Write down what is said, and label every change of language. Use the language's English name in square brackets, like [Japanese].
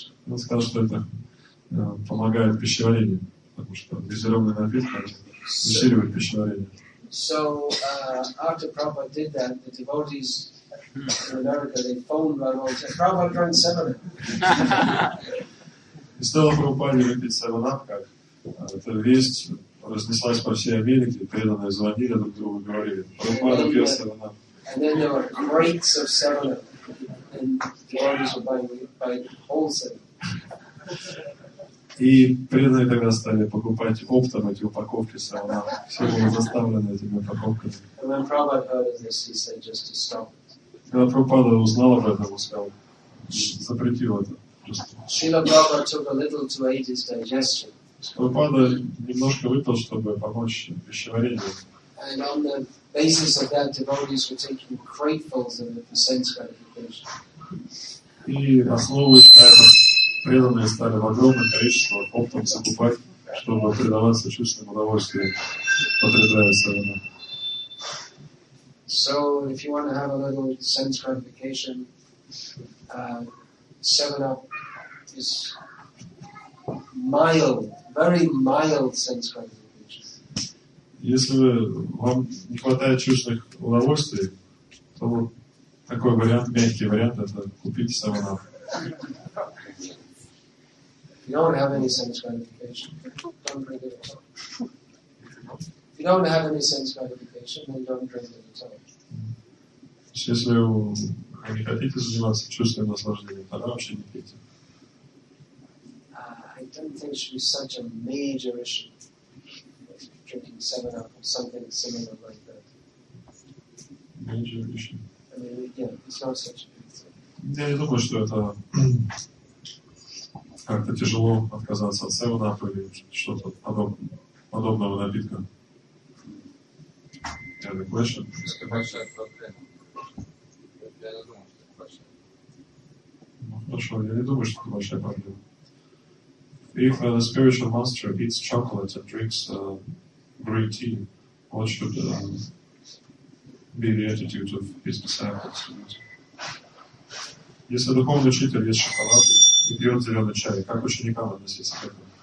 [Russian] Он сказал, что это помогает пищеварению, потому что газированный напиток усиливает пищеварение. [English] So, after Prabhupada did that, the devotees in America, they phoned Prabhupada and said, Prabhupada drank 7-Up. [Russian] И стоило Прабхупаде выпить 7-Up, как эта весть разнеслась по всей Америке, преданные звонили друг другу и говорили, Прабхупада пил 7-Up. [English] And then there were crates of 7-Up, and the devotees were buying whole 7-Up. [Russian] И преданные тогда стали покупать оптом эти упаковки 7-Up. Все было заставлено этими упаковками. [English] And when Prabhupada heard of this, he said just to stop it. [Russian] Когда Прабхупада узнал об этом, он сказал, запретил это. [English] Srila Prabhupada took a little to aid his digestion. [Russian] Прабхупада немножко выпил, чтобы помочь пищеварению. [English] And on the basis of that, devotees were taking cratefuls of the sense gratification. [Russian] И основываясь на этом, преданные стали в огромное количество оптом закупать, чтобы предаваться чувствам удовольствия, потребляя сарана. [English] So, if you want to have a little sense gratification, 7-Up is mild, very mild sense gratification. [Russian] Если вам не хватает чувственных удовольствий, то вот такой вариант, мягкий вариант, это купить 7-Up. [English] You don't have any sense gratification. Don't bring it up. If you you don't have any sense gratification, then don't drink it at all. I don't think it should be such a major issue drinking 7-Up or something similar like that. Major issue. I mean, yeah, it's not such a big thing. [Russian] Я не думаю, что это как-то тяжело отказаться от 7-Up или что-то подобного напитка. Это большая проблема. Я не думаю, что это большая проблема. Ну хорошо, я не думаю, что это большая проблема. [English] If the spiritual master eats chocolate and drinks green tea, what should be the attitude of his disciples? [Russian] Если духовный учитель ест шоколад и пьет зеленый чай, как ученикам относиться к этому?